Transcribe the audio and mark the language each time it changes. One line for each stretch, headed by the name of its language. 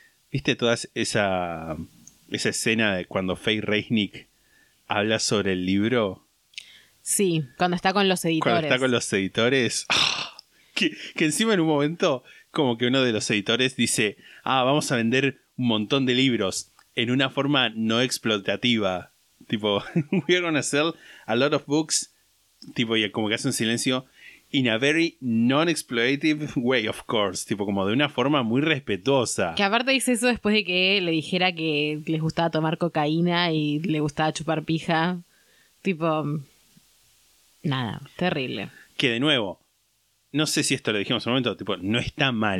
Spanish: ¿Viste toda esa escena de cuando Faye Resnick habla sobre el libro? Sí, cuando está con los editores. Cuando está con los editores. ¡Oh! Que encima en un momento, como que uno de los editores dice, ah, vamos a vender un montón de libros en una forma no explotativa.
English: Tipo, we're gonna sell a lot of books.
Spanish: Tipo, y como que hace un silencio.
English: In a very non-exploitative way, of course.
Spanish: Tipo, como de una forma muy respetuosa. Que aparte dice eso después de que le dijera que les gustaba tomar cocaína y le gustaba chupar pija. Tipo... nada, terrible. Que de nuevo, no sé si esto lo dijimos en un momento, tipo, no está mal.